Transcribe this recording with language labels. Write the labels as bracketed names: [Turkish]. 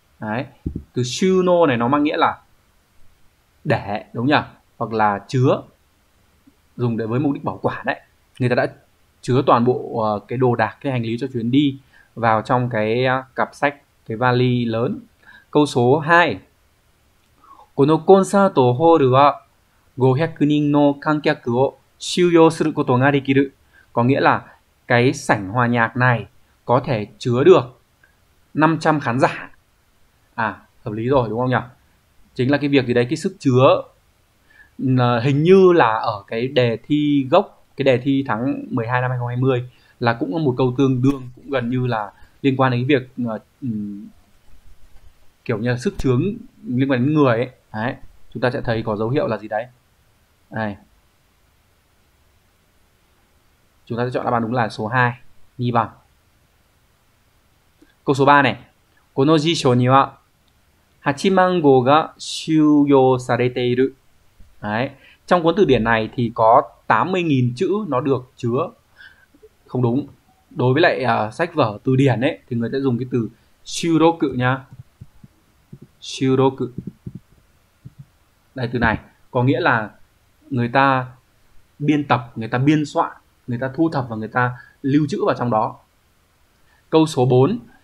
[Vietnamese] Đấy, từ sưu nô này nó mang nghĩa là để đúng nhỉ, hoặc là chứa, dùng để với mục đích bảo quản đấy. Người ta đã chứa toàn bộ cái đồ đạc, cái hành lý cho chuyến đi vào trong cái cặp sách, cái vali lớn. Câu số 2. [Japanese] このコンサートホールは500人の観客を収容することができる。 [Vietnamese] Có nghĩa là cái sảnh hòa nhạc này có thể chứa được 500 khán giả. À, hợp lý rồi đúng không nhỉ? Chính là cái việc gì đấy, cái sức chứa. Hình như là ở cái đề thi gốc, cái đề thi tháng 12 năm 2020 là cũng có một câu tương đương, cũng gần như là liên quan đến cái việc kiểu như là sức chứa liên quan đến người ấy. Đấy, chúng ta sẽ thấy có dấu hiệu là gì đấy. Đây, chúng ta sẽ chọn đáp án đúng là số 2, nhì bằng. Câu số 3 này. [Japanese] この辞書には8万語が収容されている。 [Vietnamese] Đấy, trong cuốn từ điển này thì có 80.000 chữ nó được chứa. Không đúng. Đối với lại sách vở từ điển ấy thì người ta dùng cái từ siêu đố cự nha. Siêu đố cự. Đây, từ này có nghĩa là người ta biên tập, người ta biên soạn, người ta thu thập và người ta lưu trữ vào trong đó. Câu số 4.